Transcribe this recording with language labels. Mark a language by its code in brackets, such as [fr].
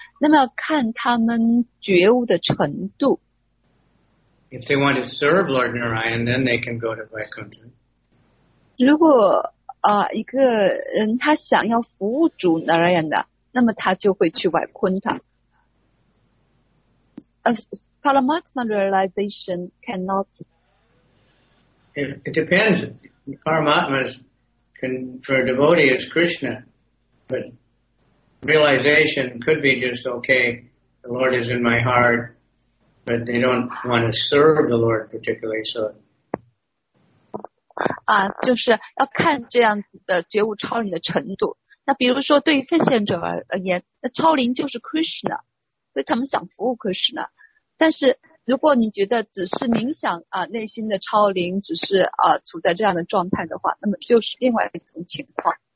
[zh] 那么看他们觉悟的程度。 [en] If they want to serve Lord Narayana, then they can go to Vaikuntha. [zh] 如果一个人他想要服务主 Narayana，那么他就会去外昆塔。 [en] Paramatma realization cannot. It depends. Paramatma for a devotee is Krishna, but realization could be just okay. The Lord is in my heart, but they don't want to serve the Lord particularly. So. [zh] 就是要看这样子的觉悟超灵的程度。那比如说对于奉献者而言，那超灵就是 Krishna， 所以他们想服务 Krishna。但是如果你觉得只是冥想内心的超灵只是处在这样的状态的话，那么就是另外一种情况。